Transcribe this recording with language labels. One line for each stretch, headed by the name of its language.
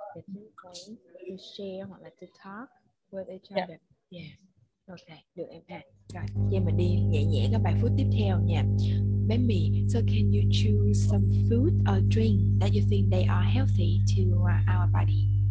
English: The same point to share
Vietnamese: hoặc là
English: to talk with each other. Yeah. Yeah. Okay,
Vietnamese: được em ha. Rồi, vậy mình đi nhẹ nhẹ các bài phút tiếp theo nha.
English: Baby, so can you choose some food or drink that you think they are healthy to our body?